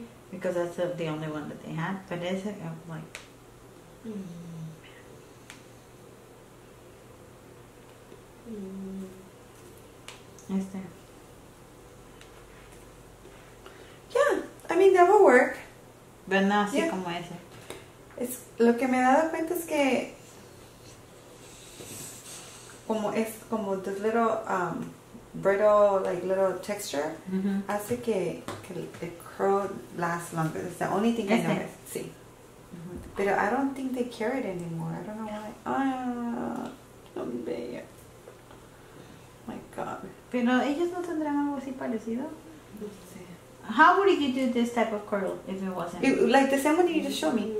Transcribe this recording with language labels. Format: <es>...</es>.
<en>Because that's the only one that they had. But it's like... Mm.</en> <es>Este.</es> <en>Yeah, I mean, that will work.</en> <es>Pero no así, yeah, como ese. Es, lo que me he dado cuenta es que... Como es como</es> <en>this little... brittle, like little texture, mm-hmm,</en> <es>hace que</es> <en>the curl lasts longer. That's the only thing I noticed. Sí. Mm-hmm. But I don't think they carry it anymore. I don't know why.</en> <es>No me veo.</es> <en>My God.</en> <es>Pero ellos no tendrán algo así parecido. Sí.</es> <en>How would you do this type of curl if it wasn't? It, like the same one you just showed me.</en>